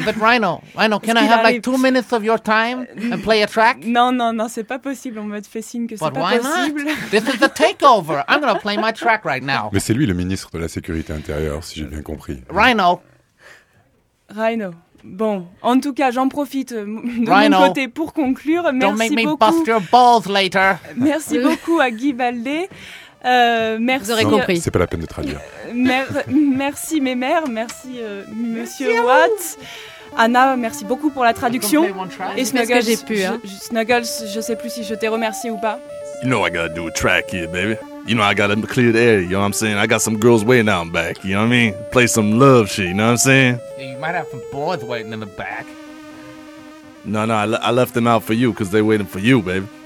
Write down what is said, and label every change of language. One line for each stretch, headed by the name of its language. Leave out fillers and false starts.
English: Okay, but Rhino, can I have like 2 minutes of your time and play a track?
French: Non, c'est pas possible. On me fait signe que c'est pas possible.
English: This is the take. Over. I'm gonna play my track right now.
French: Mais c'est lui le ministre de la sécurité intérieure, si j'ai bien compris. Rhino. Bon, en tout cas, j'en profite de mon côté pour conclure. Merci beaucoup.
English: make me bust your balls later.
French: Merci beaucoup à Guy Valdé. Merci. Vous aurez compris. C'est pas la peine de traduire. Merci mes mères. Merci Monsieur Watt. Anna, merci beaucoup pour la traduction. Et Snuggles, j'ai pu. Hein. Snuggles, je sais plus si je t'ai remercié ou pas.
English: You know I gotta do a track here, baby. You know I gotta clear the air, you know what I'm saying? I got some girls waiting out in back, you know what I mean? Play some love shit, you know what I'm saying? Yeah, you might have some boys waiting in the back. No, I left them out for you, because they're waiting for you, baby.